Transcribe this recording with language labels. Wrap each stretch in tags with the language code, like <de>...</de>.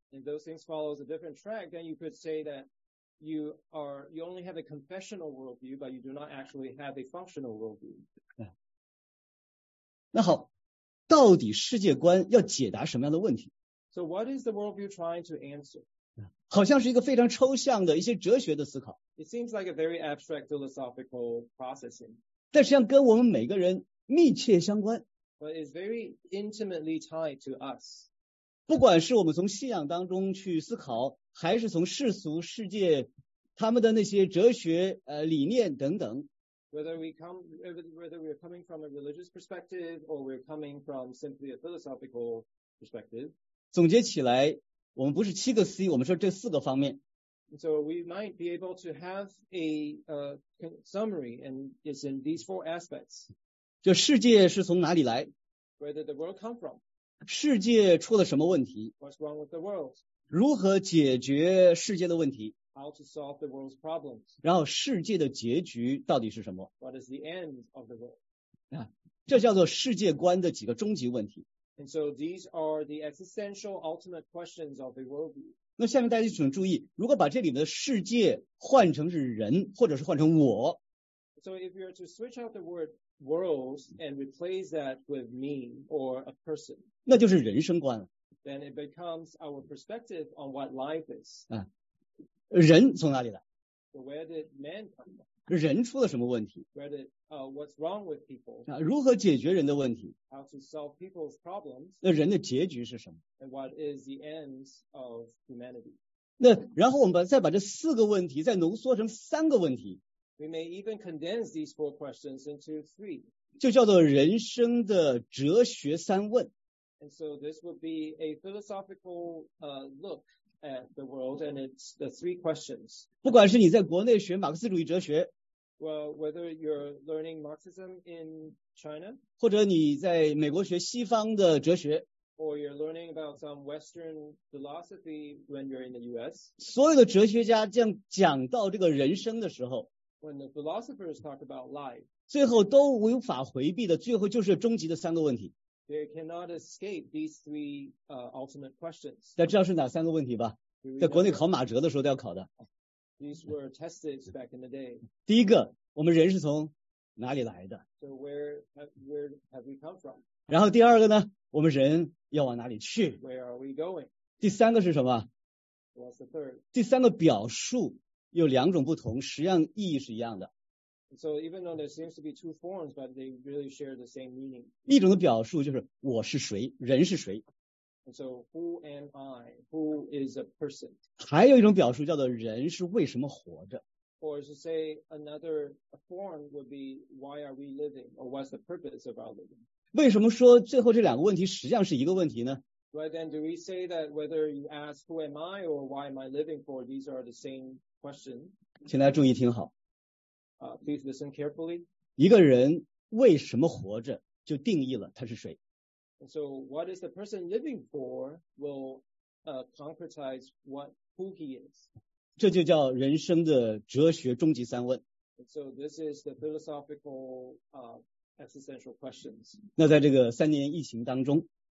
<en>If those things follow a different track, then you could say that you only have a confessional worldview, but you do not actually have a functional worldview.</en> <zh>那好, 到底世界观要解答什么样的问题?</zh> <en>So what is the worldview trying to answer?</en> <zh>好像是一个非常抽象的一些哲学的思考。</zh> <en>It seems like a very abstract philosophical processing.</en> <zh>但实际上跟我们每个人密切相关。</zh> <en>But it's very intimately tied to us.</en> <zh>不管是我们从信仰当中去思考, 还是从世俗世界他们的那些哲学理念等等。</zh> <en>Whether we're coming from a religious perspective or we're coming from simply a philosophical perspective.</en> <zh>总结起来, 我们不是七个C, 我们说这四个方面。</zh> <en>So we might be able to have a summary and it's in these four aspects.</en> <zh>就世界是从哪里来?</zh> <en>Where did the world come from?</en> <zh>世界出了什么问题?</zh> <en>What's wrong with the world?</en> <zh>如何解决世界的问题?</zh> <en>How to solve the world's problems.</en> <zh>然后世界的结局到底是什么?</zh> <en>What is the end of the world?</en> <zh>啊, 这叫做世界观的几个终极问题。</zh> <en>And so these are the existential ultimate questions of the worldview.</en> <zh>那下面大家请注意, 如果把这里面的世界换成是人,或者是换成我,</zh> <en>So if you were to switch out the word worlds and replace that with me or a person,</en> <zh>那就是人生观了。</zh> <en>Then it becomes our perspective on what life is.</en> <zh>啊, 人从哪里来?</zh> <en>So where did man come from?</en> <zh>人出了什么问题?</zh> <en>Where did, what's wrong with people?</en> <zh>啊, 如何解决人的问题?</zh> <en>How to solve people's problems?</en> <zh>那人的结局是什么?</zh> <en>And what is the end of humanity?</en> <zh>那然后我们再把这四个问题再浓缩成三个问题。</zh> <en>We may even condense these four questions into three.</en> <zh>就叫做人生的哲学三问。</zh> <en>And so this would be a philosophical look at the world and it's the three questions.</en> <zh>不管是你在国内学马克思主义哲学,</zh> <en>Well, whether you're learning Marxism in China,</en> <zh>或者你在美国学西方的哲学,</zh> <en>or you're learning about some Western philosophy when you're in the US,</en> <zh>所有的哲学家这样讲到这个人生的时候,</zh> <en>when the philosophers talk about life,</en> <zh>最后都无法回避的最后就是终极的三个问题。</zh> <en>They cannot escape these three ultimate questions.</en> <zh>那知道是哪三个问题吧?在国内考马哲的时候都要考的。</zh> <en>These were tested back in the day.</en> <zh>第一个, 我们人是从哪里来的?</zh> <en>So where have we come from?</en> <zh>然后第二个呢, 我们人要往哪里去?</zh> <en>Where are we going?</en> <zh>第三个是什么?</zh> <en>What's the third?</en> <zh>第三个表述有两种不同, 实际上意义是一样的。</zh> <en>So even though there seems to be two forms, but they really share the same meaning.</en> <zh>一种的表述就是我是谁, 人是谁。</zh> <en>And so who am I? Who is a person?</en> <zh>还有一种表述叫做人是为什么活着。</zh> <en>Or to say another form would be why are we living? Or what's the purpose of our living?</en> <zh>为什么说最后这两个问题实际上是一个问题呢?</zh> <en>Why then do we say that whether you ask who am I or why am I living for, these are the same question?</en> <zh>请大家注意听好。</zh> <en>Please listen carefully.</en> <zh>一个人为什么活着, 就定义了他是谁。</zh> <en>And so what is the person living for will concretize who he is.</en> <zh>这就叫人生的哲学终极三问。</zh> <en>And so this is the philosophical existential questions.</en> <zh>那在这个三年疫情当中,</zh>